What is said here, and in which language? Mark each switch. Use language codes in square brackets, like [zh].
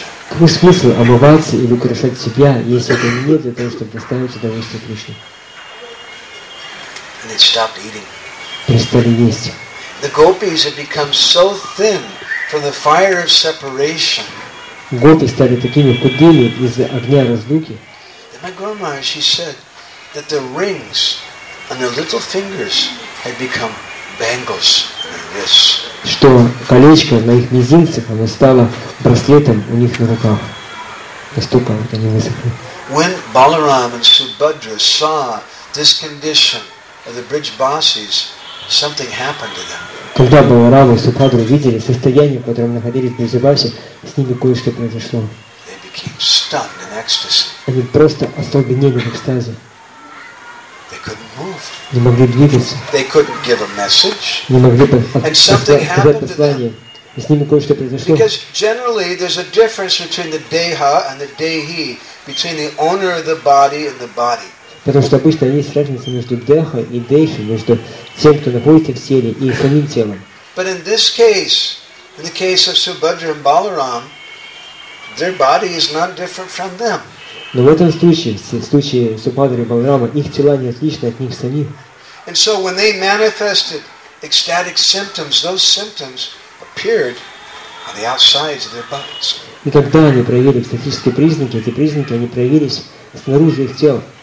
[ru] Какой смысл омываться или украшать себя, если это не для того, чтобы доставить удовольствие Кришне? [en] And they stopped eating. [ru] Перестали есть. [en] The gopis have become so thin from the fire of separation. [ru] Гопи стали такими худыми из-за огня разлуки. [en] And my grandma, she said that the rings on their little fingers had become bangles. [ru] Что колечко на их мизинцах, оно стало браслетом у них на руках. Настолько вот они высохли. [en] When Balaram and Subhadra saw this condition of the bridge bosses, something happened to them. [ru] Когда Баларам и Субхадра видели состояние, в котором находились бриджи баси, с ними кое-что произошло. [en] They became stunned in ecstasy. [ru] Они просто остолбенели в экстазе. [en] They couldn't move. [ru] Не могли двигаться. [en] They couldn't give a message. [ru] Не могли послать послание. И с ними кое-что произошло. [en] Because generally there's a difference between the deha and the dehi, between the owner of the body and the body. [ru] Потому что обычно есть разница между деха и дехи, между тем, кто находится в теле, и самим телом. [en] But in this case, in the case of Subhadra and Balaram, their body is not different from them. [ru] Но в этом случае, в случае Субхадры и Баларама, их тела не отличны от них самих. И когда они проявили экстатические признаки, эти признаки они проявились снаружи их тел.